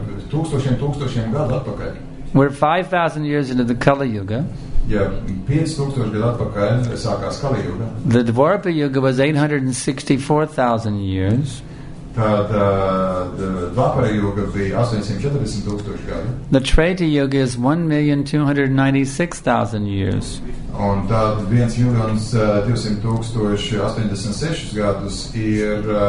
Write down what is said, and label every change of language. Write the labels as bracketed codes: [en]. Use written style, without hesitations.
[lv] Tūkstošiem gadu atpakaļ. [en] We're 5,000 years into the Kali Yuga. [lv] Ja, 5,000 gadu atpakaļ sākās Kali Yuga. [en] The Dvarapa Yuga was 864,000 years. [lv] Dvapara yoga bija 840 tūkstoši gadu. [en] The Treta yoga is 1,296,000 years. [lv] Un tad 1,286,000 gadus ir